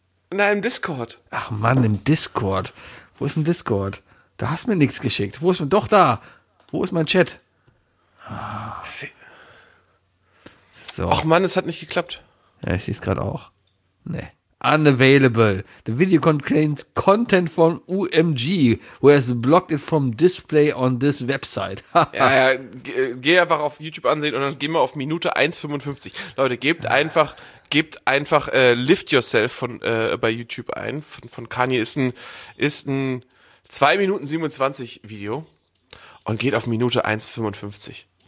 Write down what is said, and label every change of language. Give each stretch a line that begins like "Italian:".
German: Na, im Discord. Ach Mann, im Discord. Wo ist ein Discord? Da hast du mir nichts geschickt. Wo ist doch da? Wo ist mein Chat? Ah. So. Ach Mann, es hat nicht geklappt. Ja, ich sehe es gerade auch. Nee.
English: unavailable. The video contains content from UMG, who has blocked it from display on this website.
German: Ja, geh einfach auf YouTube ansehen und dann gehen wir auf Minute 1,55. Leute, gebt einfach Lift Yourself von bei YouTube ein. Von Kanye ist ein 2 Minuten 27 Video und geht auf Minute 1,55.